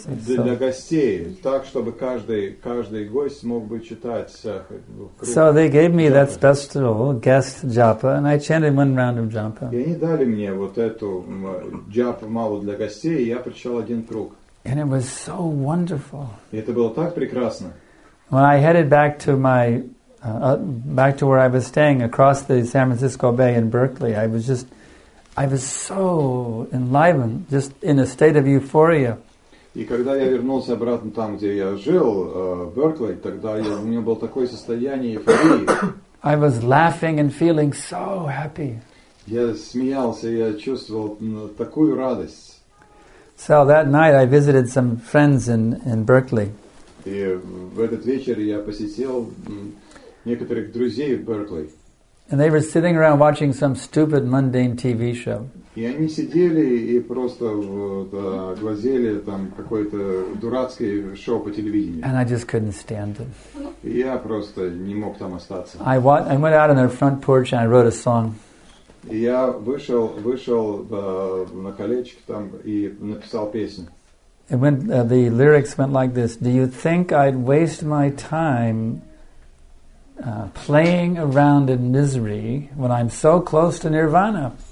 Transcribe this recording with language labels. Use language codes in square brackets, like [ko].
[ru] Для, для гостей, так чтобы каждый гость мог бы читать. [en] So they gave me that special guest japa, and I chanted one round of japa. [ru] И они дали мне вот эту джапа малу для гостей, и я прочитал один круг. [en] And it was so wonderful. [ru] И это было так прекрасно. [en] When I headed back to my back to where I was staying across the San Francisco Bay in Berkeley, I was so enlivened, just in a state of euphoria. [ru] И когда я вернулся обратно там, где я жил, Berkeley, тогда я, у меня было такое состояние эйфории. [en] I was laughing and feeling so happy. [ru] Я смеялся, я чувствовал такую радость. [en] So that night I visited some friends in Berkeley. [ru] И в этот вечер я посетил некоторых друзей в Беркли. [en] And they were sitting around watching some stupid mundane TV show. [ru] И они сидели и просто вот, глазели там какое-то дурацкое шоу по телевидению. [en] And I just couldn't stand it. [ru] И я просто не мог там остаться. [en] I went out on their front porch and I wrote a song. [ru] И я вышел на колечко там и написал песню. [en] It went, the lyrics went like this: Do you think I'd waste my time playing around in misery when I'm so close to nirvana?